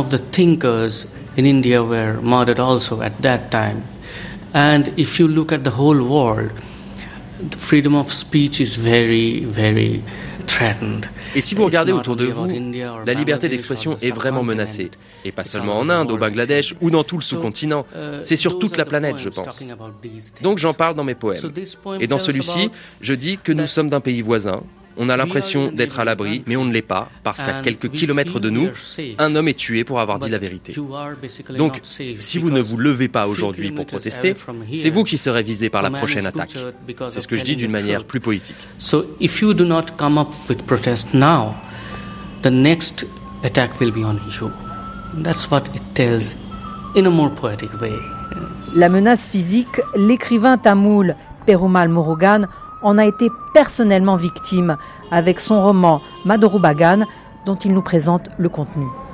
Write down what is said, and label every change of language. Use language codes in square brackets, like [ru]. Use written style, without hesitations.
[en] Thinkers in India were murdered also at that time. And if you look at the whole world, the freedom of speech is very, very threatened. [fr] Et si vous regardez autour de vous, la liberté d'expression est vraiment menacée. Et pas seulement en Inde, au Bangladesh ou dans tout le sous-continent. C'est sur toute la planète, je pense. Donc j'en parle dans mes poèmes. Et dans celui-ci, je dis que nous sommes d'un pays voisin. On a l'impression d'être à l'abri, mais on ne l'est pas, parce qu'à quelques kilomètres de nous, un homme est tué pour avoir dit la vérité. Donc, si vous ne vous levez pas aujourd'hui pour protester, c'est vous qui serez visé par la prochaine attaque. C'est ce que je dis d'une manière plus poétique. [en] So, if you do not come up with protest now, the next attack will be on you. That's what it tells in a more poetic way. [fr] La menace physique, l'écrivain tamoul Perumal Murugan en a été personnellement victime avec son roman Madhurubagan, dont il nous présente le contenu.